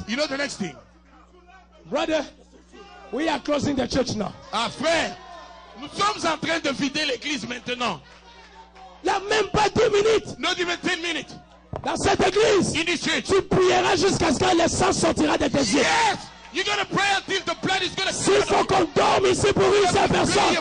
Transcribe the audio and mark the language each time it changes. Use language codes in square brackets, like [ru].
[en] You know the next thing? Brother, we are closing the church now. [fr] Ah frère, nous sommes en train de vider l'église maintenant. Là, même pas 10 minutes. [en] Not even 10 minutes. [fr] Dans cette église, [en] in this church, [fr] tu prieras jusqu'à ce que le sang sortira de tes yeux. [en] Yes, you're gonna pray until the blood is gonna. [fr] S'il faut qu'on dorme ici pour une seule personne,